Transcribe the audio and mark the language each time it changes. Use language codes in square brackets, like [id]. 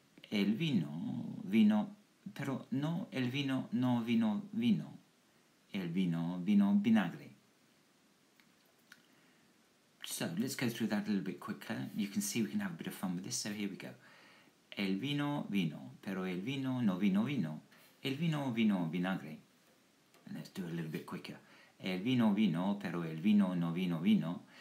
[es] El vino, vino, pero no el vino, no vino, vino. El vino, vino, vinagre. [en] So let's go through that a little bit quicker. You can see we can have a bit of fun with this, so here we go. [es] El vino, vino, pero el vino, no vino, vino. El vino, vino, vinagre. [en] And let's do it a little bit quicker. [es] El vino, vino, pero el vino, no vino, vino.